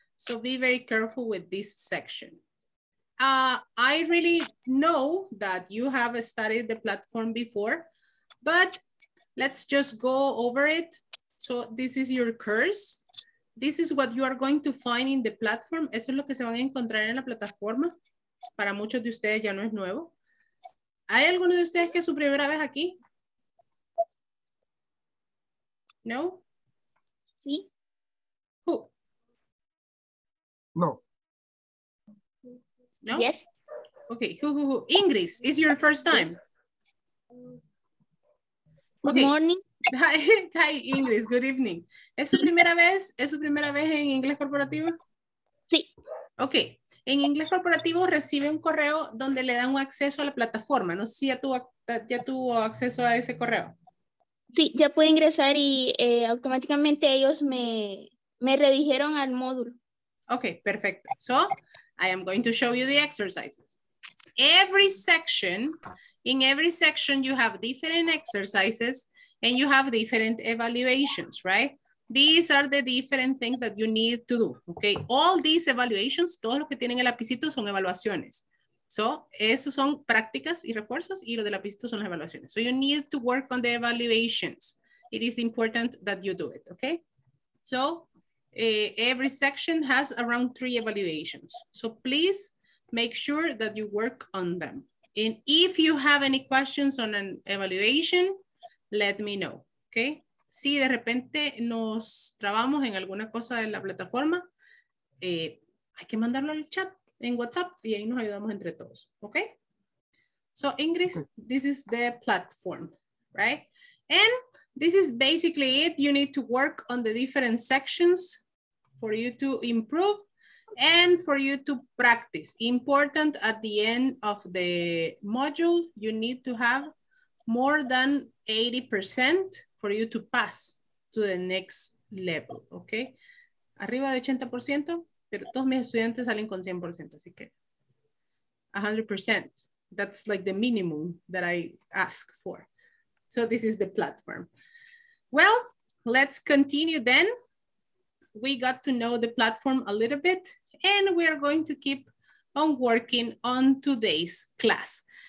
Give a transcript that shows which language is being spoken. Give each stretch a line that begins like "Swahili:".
English: So be very careful with this section. I really know that you have studied the platform before, but let's just go over it. So this is your course. This is what you are going to find in the platform.
Spanish: Eso es lo que se van a encontrar en la plataforma. Para muchos de ustedes ya no es nuevo. ¿Hay alguno de ustedes que es su primera vez aquí? No? Sí.
English: Who? No. No? Yes. Okay, who? Ingris, is your first time? Yes. Okay. Good morning. Hi, Ingris. Good evening.
Spanish: ¿Es su primera vez? ¿Es su primera vez en inglés corporativo? Sí.
English: Okay.
Spanish: En inglés corporativo recibe un correo donde le dan un acceso a la plataforma. No sé si ya tuvo acceso a ese correo. Sí, ya puedo ingresar y automáticamente ellos me redirigieron al módulo. Okay, perfecto.
English: So, I am going to show you the exercises. In every section, you have different exercises and you have different evaluations, right? These are the different things that you need to do, okay? All these evaluations,
Spanish: todo lo que tienen el lapicito son evaluaciones. So, esos son prácticas y refuerzos y lo del lapicito son las evaluaciones.
English: So, you need to work on the evaluations. It is important that you do it, okay? So, every section has around 3 evaluations. So, please make sure that you work on them. And if you have any questions on an evaluation, let me know, okay?
Spanish: Si de repente nos trabamos en alguna cosa de la plataforma, hay que mandarlo al chat en WhatsApp y ahí nos ayudamos entre todos, okay?
English: So Ingris, this is the platform, right? And This is basically it. You need to work on the different sections for you to improve and for you to practice. Important at the end of the module, you need to have more than 80% for you to pass to the next level, okay?
Spanish: Arriba de 80%, pero todos mis estudiantes salen con 100%, así que 100%.
English: That's like the minimum that I ask for. So this is the platform. Well, let's continue then. We got to know the platform a little bit and we are going to keep on working on today's class.